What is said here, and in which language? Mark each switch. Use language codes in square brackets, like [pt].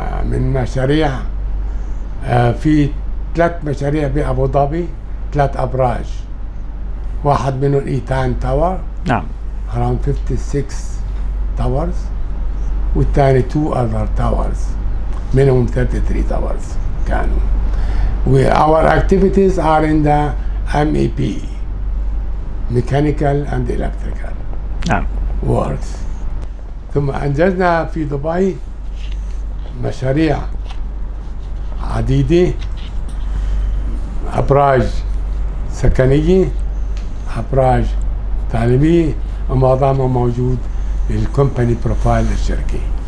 [ar] من مشاريع في ثلاث مشاريع بأبو ظبي ثلاث أبراج واحد منهم إيتان تاور. نعم. [en] Around 56 towers والثاني 2 other towers منهم 33 towers كانوا. Our activities are in the MEP Mechanical and Electrical. [ar] نعم. [en] Works. [ar] ثم أنجزنا في دبي مشاريع عديدة أبراج سكنية أبراج تعليمية ومعظمها موجود بالكومباني بروفايل للشركة.